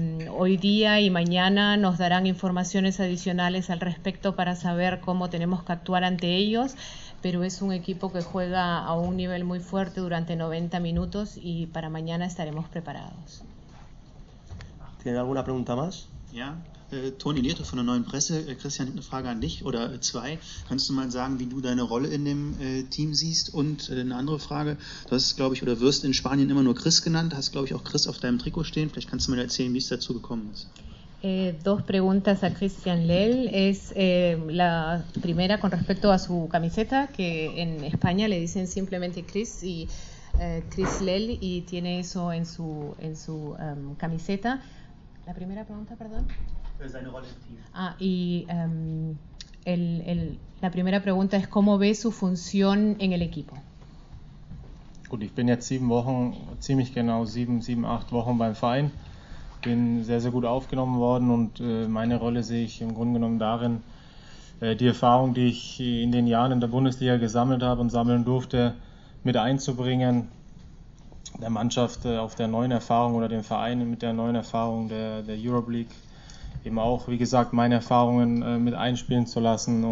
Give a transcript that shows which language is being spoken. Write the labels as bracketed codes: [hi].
[es] Hoy día y mañana nos darán informaciones adicionales al respecto para saber cómo tenemos que actuar ante ellos, pero es un equipo que juega a un nivel muy fuerte durante 90 minutos y para mañana estaremos preparados. ¿Tienen alguna pregunta más? [de] Ja, Toni Lierte von der Neuen Presse. Christian, eine Frage an dich oder zwei. Kannst du mal sagen, wie du deine Rolle in dem Team siehst? Und eine andere Frage, du hast, glaube ich, oder wirst in Spanien immer nur Chris genannt, hast, glaube ich, auch Chris auf deinem Trikot stehen. Vielleicht kannst du mal erzählen, wie es dazu gekommen ist. [es] Dos preguntas a Christian Lell. Es la primera con respecto a su camiseta, que en España le dicen simplemente Chris y Chris Lell, y tiene eso en su camiseta. La primera pregunta, perdón. Ah, y la primera pregunta es cómo ve su función en el equipo. [de] Gut, ich bin jetzt sieben Wochen, ziemlich genau sieben, acht Wochen beim Verein. Bin sehr, sehr gut aufgenommen worden und meine Rolle sehe ich im Grunde genommen darin, die Erfahrung, die ich in den Jahren in der Bundesliga gesammelt habe und sammeln durfte, mit einzubringen, der Mannschaft auf der neuen Erfahrung oder dem Verein mit der neuen Erfahrung der Europa League eben auch, wie gesagt, meine Erfahrungen mit einspielen zu lassen.